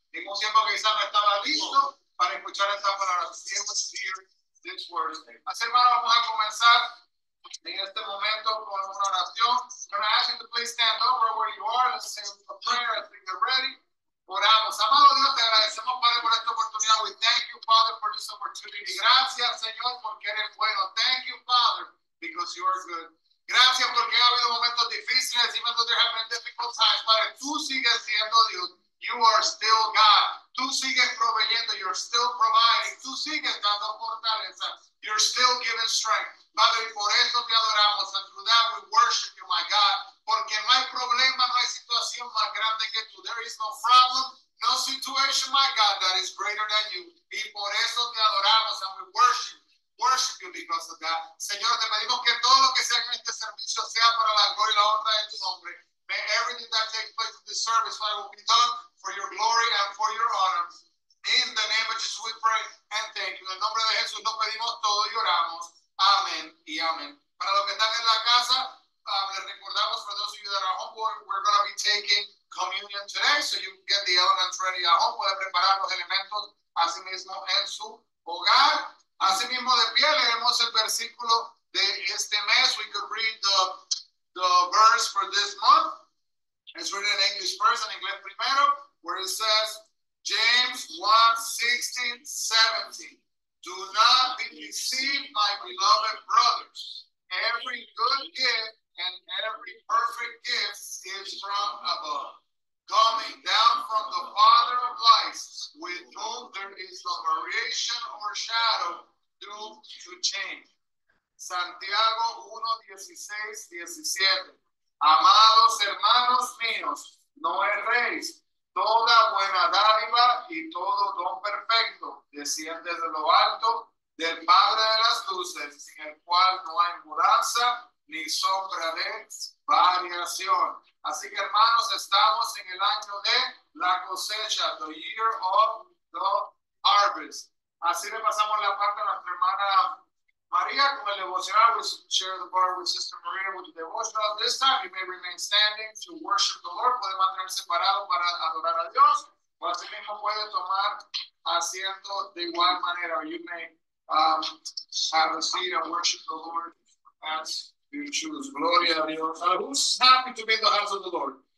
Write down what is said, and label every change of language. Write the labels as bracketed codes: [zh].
[es] En un tiempo que quizás no estaba listo para escuchar esta palabra. [en] To be able to hear this word. [es] Así, hermano, vamos a comenzar en este momento con una oración. [en] I'm going to ask you to please stand over where you are. Let's say a prayer. I think you're ready. [es] Oramos. Amado Dios, te agradecemos, Padre, por esta oportunidad. [en] We thank you, Father, for this opportunity. [es] Gracias, Señor, porque eres bueno. [en] Thank you, Father, because you are good. [es] Gracias porque ha habido momentos difíciles, [en] even though there have been difficult times, [es] Padre, tú sigues siendo Dios. [en] You are still God. [es] Tú sigues proveyendo. [en] You're still providing. [es] Tú sigues dando fortaleza. [en] You're still giving strength. [es] Padre, por eso te adoramos. [en] And through that we worship you, my God. [es] Porque no hay problema, no hay situación más grande que tú. [en] There is no problem, no situation, my God, that is greater than you. [es] Y por eso te adoramos [en] and we worship you because of that. [es] Señor, te pedimos que todo lo que sea en este servicio sea para la gloria y la honra de tu nombre. [en] May everything that takes place in this service, Father, will be done for your glory and for your honor. In the name of Jesus, we pray and thank you. [es] En el nombre de Jesús, nos pedimos todo y oramos. Amén y amén. Para los que están en la casa, les recordamos, [en] for those of you that are home, we're going to be taking communion today, so you can get the elements ready at home. [es] Puede preparar los elementos así mismo en su hogar. Asimismo de pie, leemos el versículo de este mes. [en] We could read the verse for this month. It's written in English first, in English primero, where it says, James 1:16-17. Do not be deceived, my beloved brothers. Every good gift and every perfect gift is from above, coming down from the Father of lights, with whom there is no variation or shadow due to change. [es] Santiago 1:16-17. Amados hermanos míos, no erréis. Toda buena dádiva y todo don perfecto desciende de lo alto, del Padre de las luces, sin el cual no hay mudanza ni sombra de variación. Así que, hermanos, estamos en el año de la cosecha, [en] the year of the harvest. [es] Así le pasamos la parte a nuestra hermana María con el devocional. [en] We share the part with Sister Maria with the devotional this time. You may remain standing to worship the Lord. [es] Puede mantenerse parado para adorar a Dios. O así mismo puede tomar asiento de igual manera. [en] You may have a seat and worship the Lord as you choose. [es] Gloria a Dios. [en] Who's happy to be in the house of the Lord?